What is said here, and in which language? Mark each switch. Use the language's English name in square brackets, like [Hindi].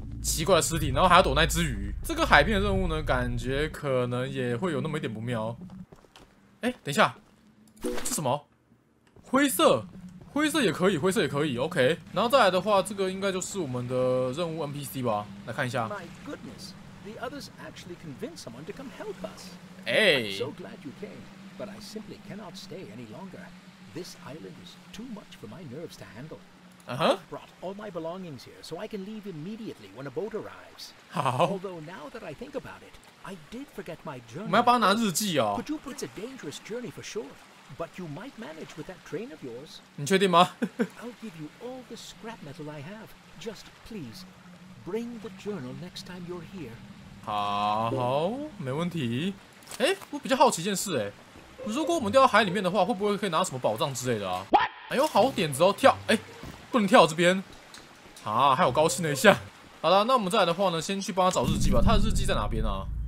[Chinese] 奇怪的尸体，然后还要躲那只鱼。这个海边的任务呢，感觉可能也会有那么一点不妙。哎，等一下，这什么？灰色，灰色也可以，灰色也可以 ，OK。然后再来的话，这个应该就是我们的任务 NPC 吧？来看一下。 [English] My goodness, the others actually convinced someone to come help us. I'm so glad you came, but I simply cannot stay any longer. This island is too much for my nerves to handle. Brought all my belongings here so I can leave immediately when a boat arrives. Although now that I think about it, I did forget my journal. [Chinese] 我们要帮他拿日记哦。 [English] But you put a dangerous journey for sure. But you might manage with that train of yours. [Chinese] 你确定吗？ [English] I'll give you all the scrap metal I have. Just please bring the journal next time you're here. [Chinese] 好，没问题。哎，我比较好奇一件事哎，如果我们掉到海里面的话，会不会可以拿什么宝藏之类的啊？哎呦，好点子哦，跳哎。不能跳这边，啊，还有高兴了一下。好了，那我们再来的话呢，先去帮他找日记吧。他的日记在哪边啊？